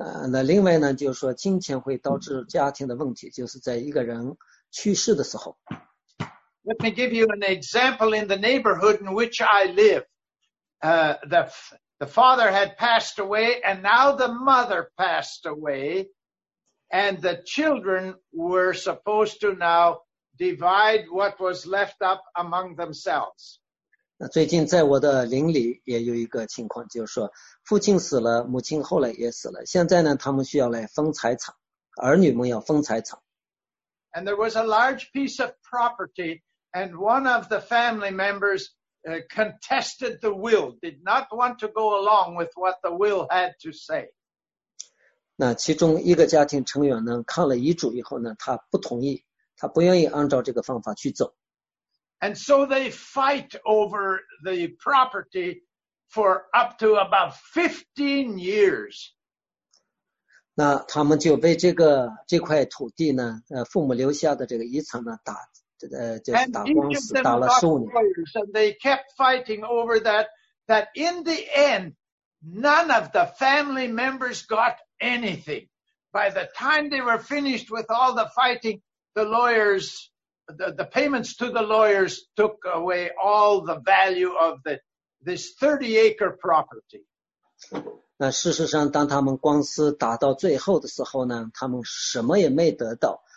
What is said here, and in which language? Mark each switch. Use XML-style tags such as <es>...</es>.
<zh>那另外呢，就是说金钱会导致家庭的问题，就是在一个人去世的时候。</zh> <en>Let me give you an example in the neighborhood in which I live. The father had passed away, and now the mother passed away. And the children were supposed to now divide what was left up among themselves.</en> <zh>那最近在我的邻里也有一个情况，就是说父亲死了，母亲后来也死了，现在呢他们需要来分财产，儿女们要分财产。</zh> <en>And there was a large piece of property, and one of the family members contested the will, did not want to go along with what the will had to say.</en> <zh>那其中一个家庭成员呢，看了遗嘱以后呢，他不同意，他不愿意按照这个方法去走。</zh> <en>And so they fight over the property for up to about 15 years.</en> <zh>那他们就为这块土地呢，父母留下的这个遗产呢，打官司，打了15年。</zh> <en>And they kept fighting over that in the end, None of the family members got anything. By the time they were finished with all the fighting, the lawyers, the payments to the lawyers took away all the value of the, this 30-acre property.</en> <zh>那事实上，当他们官司打到最后的时候呢，他们什么也没得到。</zh>